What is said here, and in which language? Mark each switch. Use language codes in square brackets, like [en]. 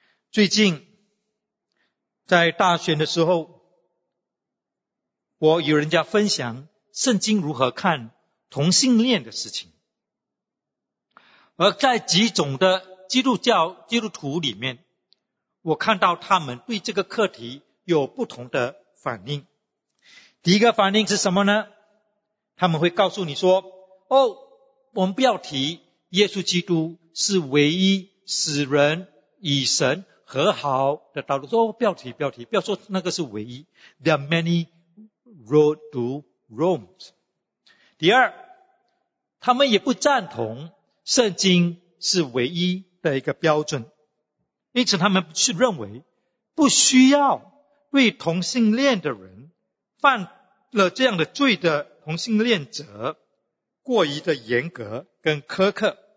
[zh] 最近在大选的时候，我与人家分享圣经如何看同性恋的事情，而在几种的基督教基督徒里面，我看到他们对这个课题有不同的反应。第一个反应是什么呢？他们会告诉你说，哦，我们不要提耶稣基督是唯一使人与神和好的道路，说不要提，不要提，不要说那个是唯一。 [en] There are many road to Rome。 [zh] 第二，他们也不赞同圣经是唯一的一个标准，因此他们是认为不需要对同性恋的人，犯了这样的罪的同性恋者过于的严格跟苛刻。